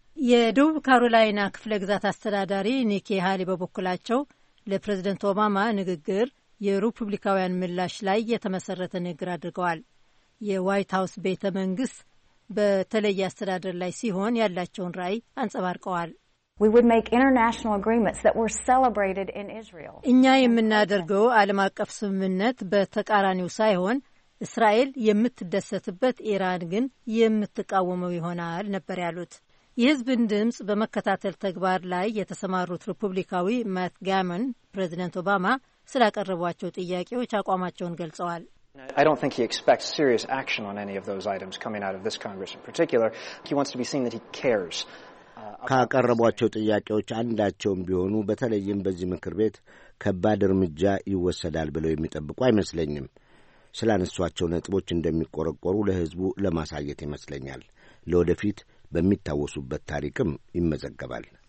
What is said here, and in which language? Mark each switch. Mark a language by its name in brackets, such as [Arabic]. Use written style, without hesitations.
[Amharic] የደቡብ ካሮላይና ክፍለ ግዛት አስተዳዳሪ ኒኪ ሃሊ በበኩላቸው ለፕሬዝደንት ኦባማ ንግግር የሪፑብሊካውያን ምላሽ ላይ የተመሰረተ ንግግር አድርገዋል። የዋይት ሀውስ ቤተ መንግስት በተለየ አስተዳደር ላይ ሲሆን ያላቸውን ራዕይ አንጸባርቀዋል። [English] We would make international agreements that were celebrated in Israel. [Amharic] እኛ የምናደርገው ዓለም አቀፍ ስምምነት በተቃራኒው ሳይሆን እስራኤል የምትደሰትበት ኢራን ግን የምትቃወመው ይሆናል ነበር ያሉት። የህዝብን ድምጽ በመከታተል ተግባር ላይ የተሰማሩት ሪፑብሊካዊ ማት ጋመን ፕሬዚደንት ኦባማ ስላቀረቧቸው ጥያቄዎች አቋማቸውን ገልጸዋል። [English] I don't think he expects serious action on any of those items coming out of this Congress in particular. He wants to be seen that he cares. [Amharic] ካቀረቧቸው ጥያቄዎች አንዳቸውም ቢሆኑ በተለይም በዚህ ምክር ቤት ከባድ እርምጃ ይወሰዳል ብለው የሚጠብቁ አይመስለኝም። ስላነሷቸው ነጥቦች እንደሚቆረቆሩ ለህዝቡ ለማሳየት ይመስለኛል። ለወደፊት በሚታወሱበት ታሪክም ይመዘገባል።